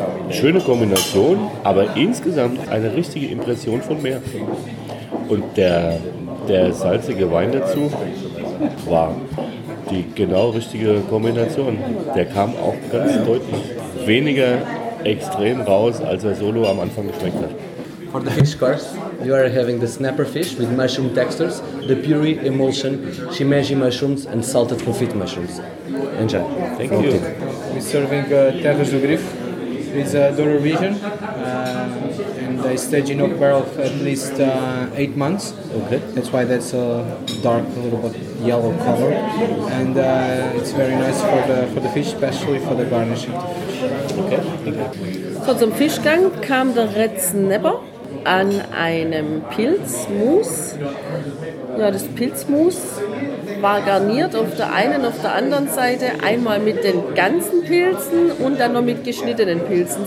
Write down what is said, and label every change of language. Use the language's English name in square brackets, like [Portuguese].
[German] Schöne Kombination, aber insgesamt eine richtige Impression von Meer. Und der salzige Wein dazu war die genau richtige Kombination. Der kam auch ganz deutlich weniger extrem raus, als er solo am Anfang geschmeckt hat. [English] For the fish course, you are having the snapper fish with mushroom textures, the puree emulsion, shimeji mushrooms and salted confit mushrooms. Enjoy. Thank you. We're serving Terras do Grifo. It's a Douro region and they stage in oak barrel for at least 8 months. Okay. That's why that's a dark, a little bit yellow color. And it's very nice for the fish, especially for the garnish of the fish. Okay. [German] So, zum Fischgang kam der Red Snapper an einem Pilzmus. Ja, das Pilzmus war garniert auf der einen und auf der anderen Seite einmal mit den ganzen Pilzen und dann noch mit geschnittenen Pilzen.